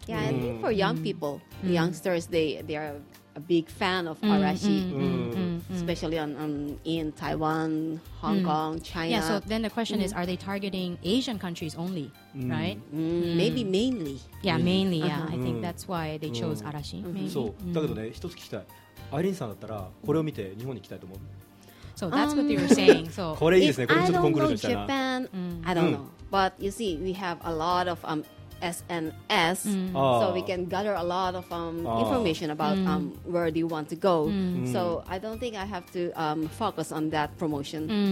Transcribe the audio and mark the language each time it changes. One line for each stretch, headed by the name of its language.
English: Yeah, I think for young people, youngsters, they are a big fan of arashi, especially in Taiwan, Hong Kong, China. Yeah, so then the question is, are they targeting Asian countries only, right? Maybe mainly. Yeah, mainly, yeah. I think that's why they chose arashi, maybe. So,
Japanese: だけどね、一つ聞きたい。アイリンさんだったら、これを見て日本に来たいと思う。
English: So that's what they were saying. So,
Japanese: これいいですね。これちょっとコンクルージョンしたな。
English: Japan, I don't know. But you see, we have a lot of SNS, so we can gather a lot of information about where do you want to go. So I don't think I have to focus on that promotion.